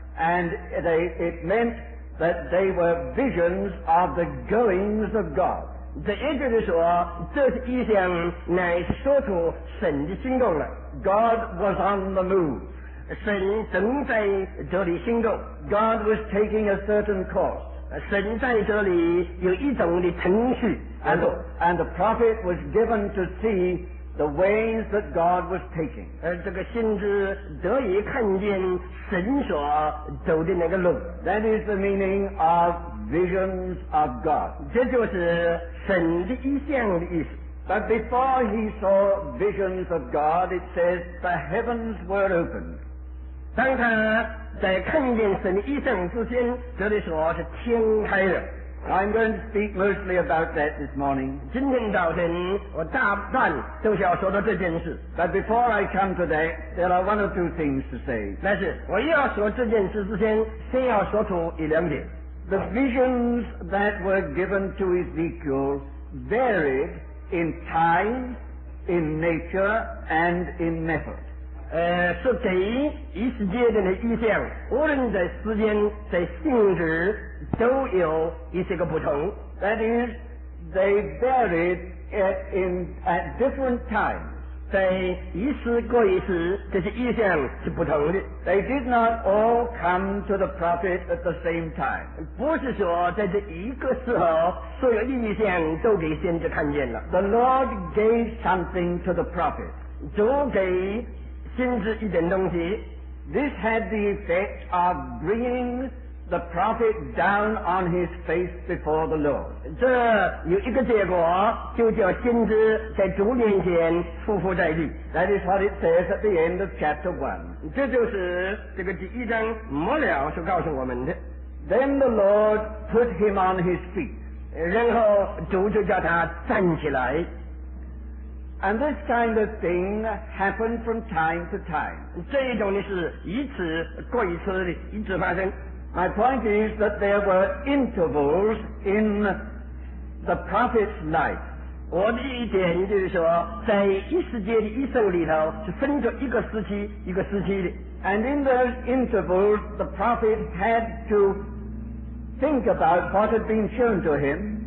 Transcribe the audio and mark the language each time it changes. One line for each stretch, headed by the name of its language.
English: And it meant that they were visions of the goings of God.
Chinese: 这也就是说，这是意象乃说出神的行动了。
English: God was on the move.
Chinese: 神正在这里行动。
English: God was taking a certain course.
Chinese: 神在这里有一种的程序。
English: And the prophet was given to see the ways that God was taking.
Chinese: 这个先知得以看见神所走的那个路。
English: That is the meaning of visions of God.
Chinese: 这就是神的意象的意思。
English: But before he saw visions of God, it says the heavens were opened.
Chinese: 当他在看见神的意象之前，这里说是天开了。
English: I'm going to speak mostly about that this morning.
Chinese: 今天早晨我大半都是要说到这件事。
English: But before I come to that, there are one or two things to say.
Chinese: 但是我要说这件事之前，先要说出一两点。
English: The visions that were given to Ezekiel varied in time, in nature, and in method.
Chinese: 是给以色列人的意象，无论在时间、在性质，都有一些个不同。
English: That is, they varied at different times.
Chinese: 在一时过一时，这些意象是不同的。
English: They did not all come to the prophet at the same time.
Chinese: 不是说在这一个时候，所有意象都给先知看见了。
English: The Lord gave something to the prophet.
Chinese: 主给先知一点东西。
English: This had the effect of bringing the prophet down on his face before the Lord.
Chinese: 这有一个结果，就叫先知在主面前匍匐在地。
English: That is what it says at the end of chapter 1.
Chinese: 这就是这个第一章末了所告诉我们的。
English: Then the Lord put him on his feet.
Chinese: 然后主就叫他站起来。
English: And this kind of thing happened from time to time.
Chinese: 这一种呢是一次过一次的，一直发生。
English: My point is that there were intervals in the prophet's life.
Chinese: 我的一点就是说，在一世界的一生里头是分着一个时期一个时期的。
English: And in those intervals, the prophet had to think about what had been shown to him.